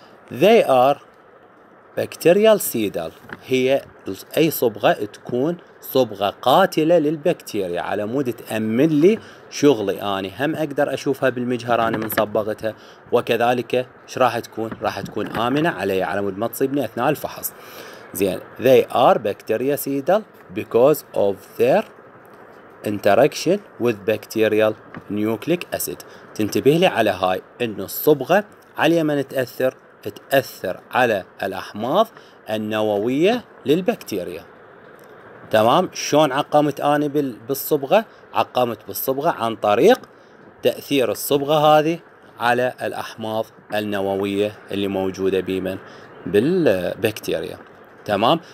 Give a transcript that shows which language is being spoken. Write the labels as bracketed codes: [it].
[en] They are bacterial seedal، [ar] هي اي صبغه تكون صبغه قاتله للبكتيريا على مود تامن لي شغلي اني، هم اقدر اشوفها بالمجهر انا من صبغتها، وكذلك ايش راح تكون؟ راح تكون امنه علي على مود ما تصيبني اثناء الفحص. [en] زين they are bacterial seedal because of their interaction with bacterial nucleic acid. [ar] تنتبه لي على هاي، انه الصبغة عليها ما نتأثر، تأثر على الأحماض النووية للبكتيريا، تمام. شون عقمت انا بالصبغة؟ عقمت بالصبغة عن طريق تأثير الصبغة هذه على الأحماض النووية اللي موجودة بمن؟ بالبكتيريا، تمام.